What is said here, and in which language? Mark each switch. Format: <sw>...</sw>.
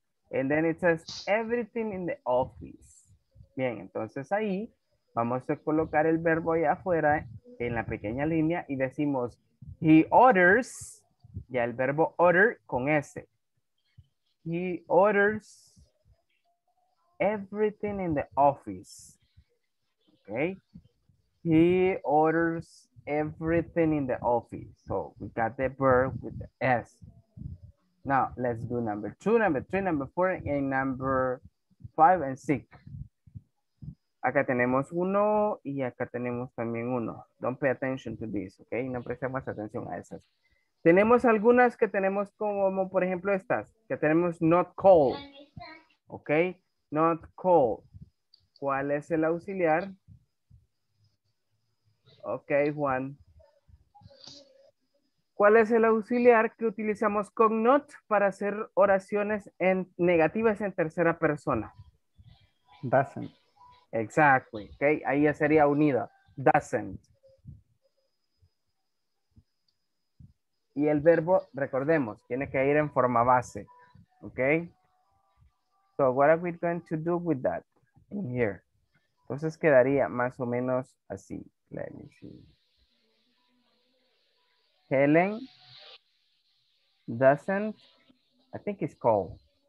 <en>And then it says, everything in the office.</en> <es>Bien, entonces ahí vamos a colocar el verbo allá afuera, en la pequeña línea y decimos</es> <en>he orders,</en> <es>ya el verbo order con S.</es> <en>He orders everything in the office. Okay. He orders everything in the office. So we got the verb with the S. Now let's do number two, number three, number four, and number five and six.</en> <es>Acá tenemos uno y acá tenemos también uno.</es> <en>Don't pay attention to this,</en> <es>¿ok? No prestemos atención a esas. Tenemos algunas que tenemos como, por ejemplo, estas. Que tenemos not call, ¿ok? Not call. ¿Cuál es el auxiliar? Ok, Juan. ¿Cuál es el auxiliar que utilizamos con not para hacer oraciones en negativas en tercera persona?</es> <en>Doesn't.</en> <es>Exactly, okay, ahí ya sería unido, doesn't. Y el verbo, recordemos, tiene que ir en forma base, okay?</es> <en>So what are we going to do with that in here?</en> <es>Entonces quedaría más o menos así.</es> <en>Let me see. Helen doesn't, I think it's called.</en>